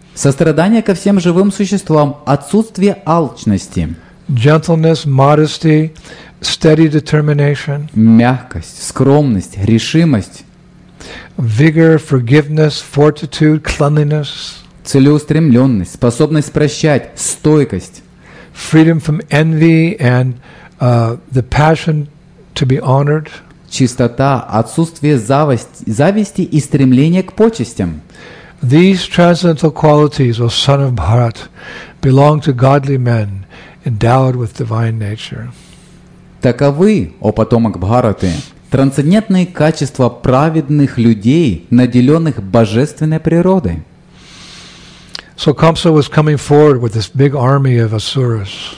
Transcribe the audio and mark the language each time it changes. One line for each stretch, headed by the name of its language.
Russian: Сострадание ко всем живым существам, отсутствие алчности.
English: Gentleness, modesty, steady determination.
Russian: Мягкость, скромность, решимость.
English: Vigor, forgiveness, fortitude, cleanliness.
Russian: Целеустремленность, способность прощать, стойкость.
English: Freedom from envy and the passion to be honored.
Russian: Чистота, отсутствие зависти и стремление к почестям.
English: These transcendental qualities, O son of Bharat, belong to godly men, endowed with divine nature.
Russian: Таковы, о потомок Бхараты, трансцендентные качества праведных людей, наделенных божественной природой.
English: So Kamsa was coming forward with this big army of asuras.